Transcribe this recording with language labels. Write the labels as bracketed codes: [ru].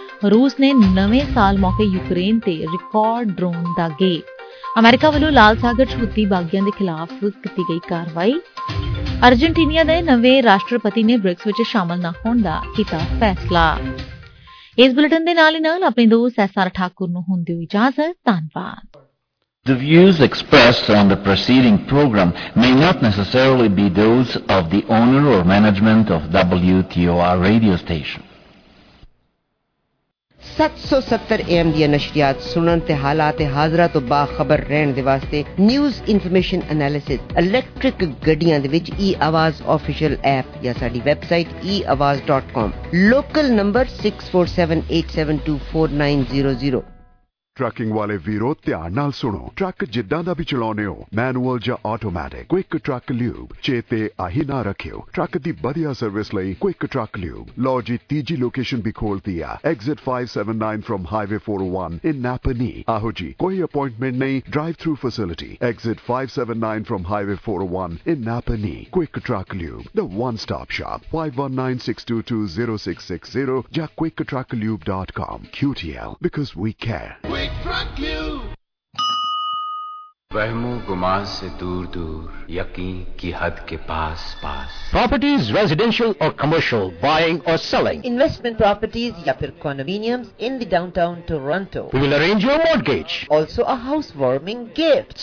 [pa] ਰੂਸ ਨੇ ਨਵੇਂ ਸਾਲ ਮੌਕੇ ਯੂਕਰੇਨ ਤੇ ਰਿਕਾਰਡ ਡਰੋਨ ਦਾਗੇ। ਅਮਰੀਕਾ ਵੱਲੋਂ ਲਾਲ ਸਾਗਰ ਚ ਹੁਤੀ ਬਾਗੀਆਂ ਦੇ ਖਿਲਾਫ ਕੀਤੀ ਗਈ ਕਾਰਵਾਈ। ਅਰਜਨਟੀਨੀਆ ਦੇ ਨਵੇਂ ਰਾਸ਼ਟਰਪਤੀ ਨੇ ਬ੍ਰਿਕਸ ਵਿਚ ਸ਼ਾਮਲ ਨਾ ਹੋਣ ਦਾ ਕੀਤਾ ਫੈਸਲਾ। ਇਸ ਬੁਲੇਟਿਨ ਦੇ ਨਾਲ ਹੀ ਨਾਲ ਆਪਣੇ ਦੋਸਤ SR ਠਾਕੁਰ ਨੂੰ ਹੁਣ ਦਿਓ ਇਜਾਜ਼ਤ। ਧੰਨਵਾਦ। [en] The views expressed on the preceding program may not necessarily be those of the owner or management of WTOR radio station. [pa] 770 AM ਦੀ ਨਸ਼ਰੀਆਤ ਸੁਣਨ ਤੇ ਹਾਲਾਤ ਤੇ ਹਾਜ਼ਰਾ ਤੋਂ ਬਾ ਖਬਰ ਰਹਿਣ ਦੇ ਵਾਸਤੇ ਨਿਊਜ਼ ਇਨਫੋਰਮੇਸ਼ਨ ਅਨਾਲਿਸਿਸ ਇਲੈਕਟ੍ਰਿਕ ਗੱਡੀਆਂ ਦੇ ਵਿੱਚ ਈ ਆਵਾਜ਼ ਆਫੀਸ਼ੀਅਲ ਐਪ ਜਾਂ ਸਾਡੀ website eawaz.com local number 6478724900 trucking ਵਾਲੇ ਵੀਰੋ ਧਿਆਨ ਨਾਲ ਸੁਣੋ, ਟਰੱਕ ਜਿੱਦਾਂ ਦਾ ਵੀ ਚਲਾਉਂਦੇ ਹੋ, ਮੈਨੂਅਲ ਜਾਂ ਆਟੋਮੈਟਿਕ, ਕੁਇਕ ਟਰੱਕ ਲਿਊਬ ਚੇਤੇ ਆਹੀ ਨਾ ਰੱਖਿਓ। ਟਰੱਕ ਦੀ ਵਧੀਆ ਸਰਵਿਸ ਲਈ ਕੁਇਕ ਟਰੱਕ ਲਿਊਬ। ਲਓ ਜੀ, ਤੀਜੀ ਲੋਕੇਸ਼ਨ ਵੀ ਖੋਲਤੀ ਆ, [en] Exit 579 from highway 401 in Napanee. [pa] ਆਹੋ ਜੀ, ਕੋਈ ਅਪੁਆਇੰਟਮੈਂਟ ਨਹੀਂ, drive through facility. [en] Exit 579 from highway 401 in Napanee. [pa] Quick truck lube, [en] The one stop shop. [pa] 519-622-0660 ਜਾਂ quicktrucklube.com। [en] QTL, because we care. [ur] وہم و گمان سے دور دور یقین کی حد کے پاس پاس [en] properties residential اور commercial buying اور selling investment properties [ur] یا پھر [en] condominiums in the downtown Toronto we will arrange your mortgage also a house warming gift